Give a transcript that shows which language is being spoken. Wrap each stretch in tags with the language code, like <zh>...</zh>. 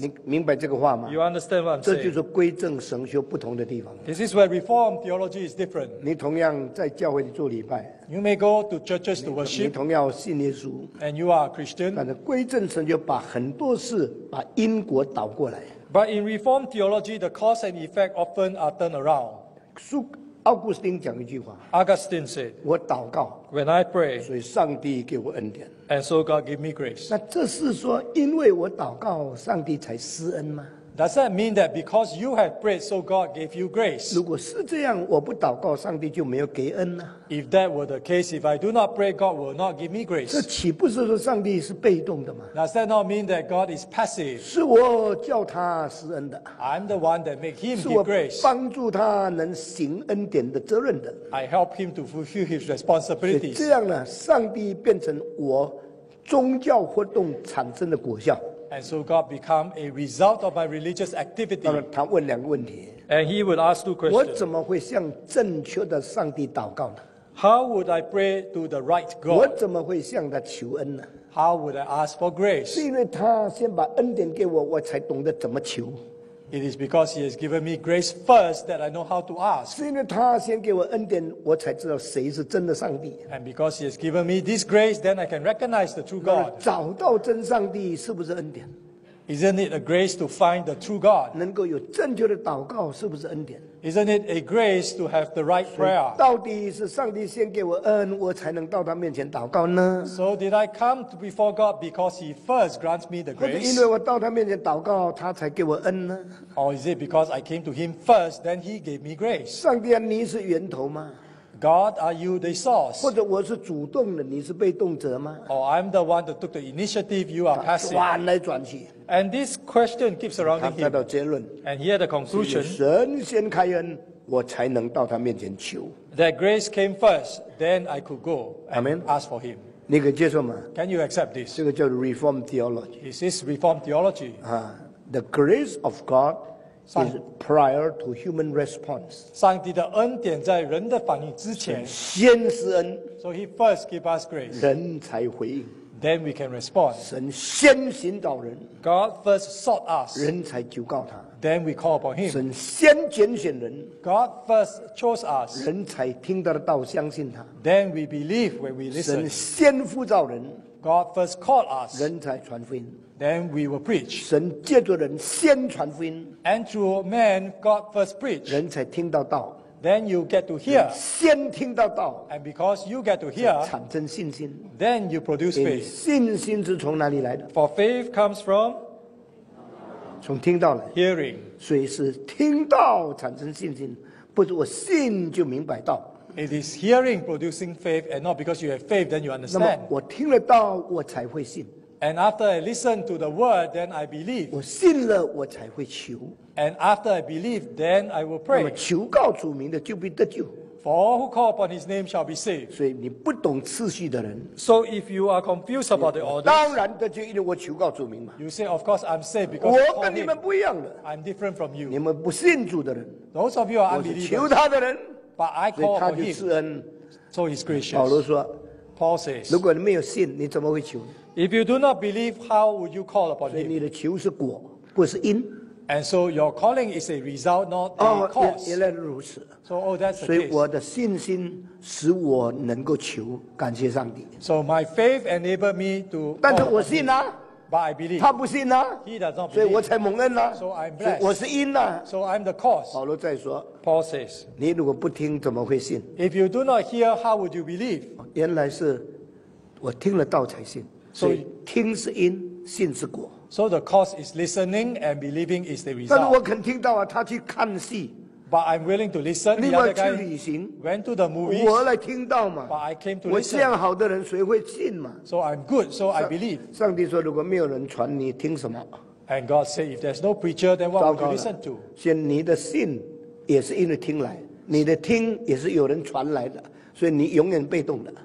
<zh>你明白这个话吗？</zh> <en>You understand what I'm saying?</en> <zh>这就是归正神学不同的地方。</zh> <en>This is where Reformed theology is different.</en> <zh>你同样在教会里做礼拜。</zh> <en>You may go to churches to worship.</en> <zh>你同样信耶稣。</zh> <en>And you are a Christian.</en> <zh>但是归正神学把很多事把因果倒过来。</zh> <en>But in Reformed theology, the cause and effect often are turned around.</en> <zh>奥古斯丁讲一句话</zh> <en>Augustine said,</en> <zh>我祷告</zh> <en>When I pray,</en> <zh>所以上帝给我恩典</zh> <en>And so God gave me grace.</en> <zh>那这是说因为我祷告上帝才施恩吗？</zh> <en>Does that mean that because you have prayed so God gave you grace?</en> <zh>如果是这样我不祷告上帝就没有给恩啊。</zh> <en>If that were the case, if I do not pray God will not give me grace.</en> <zh>这岂不是说上帝是被动的吗？</zh> <en>Does that not mean that God is passive?</en> <zh>是我叫他施恩的。</zh> <en>I'm the one that make him give grace.</en> <zh>是我帮助他能行恩典的责任的。</zh> <en>I help him to fulfill his responsibilities.</en> <zh>这样呢上帝变成我宗教活动产生的果效。</zh> <en>And so God became a result of my religious activity.</en> <zh>当然他问两个问题。</zh> <en>And he would ask two questions.</en> <zh>我怎么会向正确的上帝祷告呢？</zh> <en>How would I pray to the right God?</en> <zh>我怎么会向他求恩呢？</zh> <en>How would I ask for grace?</en> <zh>是因为他先把恩典给我，我才懂得怎么求。</zh> <en>It is because he has given me grace first that I know how to ask.</en> <zh>是因为他先给我恩典，我才知道谁是真的上帝。</zh> <en>And because he has given me this grace, then I can recognize the true God.</en> <zh>找到真上帝是不是恩典？</zh> <en>Isn't it a grace to find the true God?</en> <zh>能够有正确的祷告是不是恩典？</zh> <en>Isn't it a grace to have the right prayer?</en> <zh>到底是上帝先给我恩，我才能到他面前祷告呢？</zh> <en>So did I come before God because he first grants me the grace?</en> <zh>因为我到他面前祷告，他才给我恩呢？</zh> <en>Or is it because I came to him first, then he gave me grace?</en> <zh>上帝啊，你是源头吗？</zh> <en>God, are you the source?</en> <zh>或者我是主动的，你是被动者吗？</zh> <en>Or I'm the one that took the initiative, you are passive.</en> <zh>转来转去。</zh> <en>And this question keeps surrounding him.</en> <zh>他得到结论。</zh> <en>And he had a conclusion.</en> <zh>是神先开恩，我才能到他面前求。</zh> <en>That grace came first, then I could go and Amen. Ask for him.</en> <zh>你可接受吗？</zh> <en>Can you accept this?</en> <zh>这个叫 Reformed theology.</zh> <en>Is this Reformed theology? The grace of God is prior to human response.</en> <zh>上帝的恩典在人的反应之前。先施恩。</zh> <en>So he first gave us grace.</en> <zh>人才回应。</zh> <en>Then we can respond.</en> <zh>神先寻找人。</zh> <en>God first sought us.</en> <zh>人才求告他。</zh> <en>Then we call upon him.</en> <zh>神先拣选人。</zh> <en>God first chose us.</en> <zh>人才听得到相信他。</zh> <en>Then we believe when we listen.</en> <zh>神先呼召人。</zh> <en>God first called us.</en> <zh>人才传福音。</zh> <en>Then we will preach.</en> <zh>神借着人先传福音。</zh> <en>And through man, God first preached.</en> <zh>人才听到道。</zh> <en>Then you get to hear.</en> <zh>先听到道。</zh> <en>And because you get to hear,</en> <zh>产生信心。</zh> <en>Then you produce faith.</en> <zh>信心是从哪里来的？</zh> <en>For faith comes from?</en> <zh>从听到来。</zh> <en>Hearing.</en> <zh>所以是听到产生信心，不是我信就明白道。</zh> <en>It is hearing producing faith, and not because you have faith, then you understand.</en> <zh>那么我听了道，我才会信。</zh> <en>And after I listen to the word, then I believe.</en> <zh>我信了，我才会求。</zh> <en>And after I believe, then I will pray.</en> <zh>那么求告主名的就必得救。</zh> <en>For all who call upon his name shall be saved.</en> <zh>所以你不懂次序的人。</zh> <en>So if you are confused about the order.</en> <zh>当然得救，因为我求告主名嘛。</zh> <en>You say, of course I'm saved because I call him.</en> <zh>我跟你们不一样的。</zh> <en>I'm different from you.</en> <zh>你们不信主的人。</zh> <en>Those of you are unbelievers.</en> <zh>我是求他的人。</zh> <en>But I call upon him.</en> <zh>所以他就施恩。</zh> <en>So he's gracious.</en> <zh>保罗说。</zh> <en>Paul says.</en> <zh>如果你没有信，你怎么会求？</zh> <en>If you do not believe, how would you call upon him?</en> <zh>所以你的求是果，不是因。</zh> <en>And so your calling is a result, not a cause.</en> <zh>原来如此。</zh> <en>So, oh, that's the case.</en> <zh>所以我的信心使我能够求，感谢上帝。</zh> <en>So my faith enabled me to.</en> <zh>但是我信啊。</zh> <en>But I believe.</en> <zh>他不信啊。</zh> <en>He does not believe.</en> <zh>所以我才蒙恩啊。</zh> <en>So I'm blessed.</en> <zh>我是因啊。</zh> <en>So I'm the cause.</en> <zh>保罗再说。</zh> <en>Paul says.</en> <zh>你如果不听，怎么会信？</zh> <en>If you do not hear, how would you believe?</en> <zh>原来是我听了道才信。所以听是因，信是果。</zh> <en>So the cause is listening and believing is the result.</en> <zh>但是我肯听到啊，他去看戏。</zh> <en>But I'm willing to listen.</en> <zh>另外去旅行,</zh> <en>went to the movies.</en> <zh>我来听到嘛,</zh> <en>but I came to</en> <zh>我这样好的人谁会信嘛?</zh> <en>So I'm good, so I believe.</en> <zh>上帝说如果没有人传你听什么?</zh> <en>And God said, if there's no preacher, then what would you listen to?</en> <zh>先你的信也是因为听来, 你的听也是有人传来的, 所以你永远被动的。</zh>